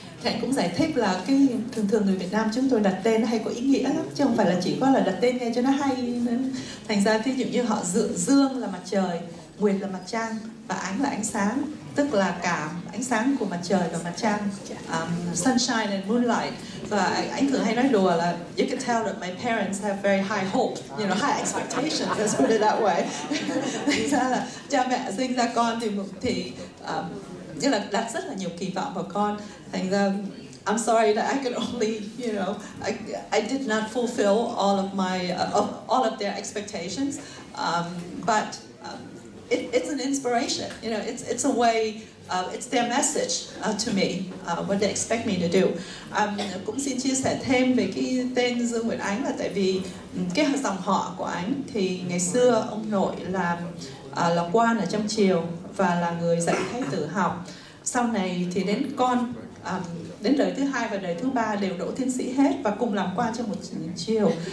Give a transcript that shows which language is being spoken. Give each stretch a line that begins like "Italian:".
Vietnamese: Thì anh cũng giải thích là cái thường thường người Việt Nam chúng tôi đặt tên hay có ý nghĩa lắm, chứ không phải là chỉ có là đặt tên nghe cho nó hay. Thành ra thí dụ như họ Dương là mặt trời, Nguyệt là mặt trăng và Ánh là ánh sáng, tức là cả ánh sáng của mặt trời và mặt trăng,
English: sunshine and moonlight.
Vietnamese: Và anh thường hay nói đùa là
English: you can tell that my parents have very high hope, you know, high expectations, let's put it that way.
Vietnamese: Thành ra là cha mẹ sinh ra con thì như là đặt rất là nhiều kỳ vọng vào con. Thành ra
English: I'm sorry that I could only, you know, I did not fulfill all of my all of their expectations, but it's an inspiration, you know, it's a way, it's their message to me, what they expect me to do.
Vietnamese: Cũng xin chia sẻ thêm về cái tên Dương Nguyệt Ánh là tại vì cái dòng họ của Ánh thì ngày xưa ông nội là quan ở trong triều và là người dạy thái tử học. Sau này thì đến con, đến đời thứ hai và đời thứ ba đều đỗ tiến sĩ hết và cùng làm quan trong một triều.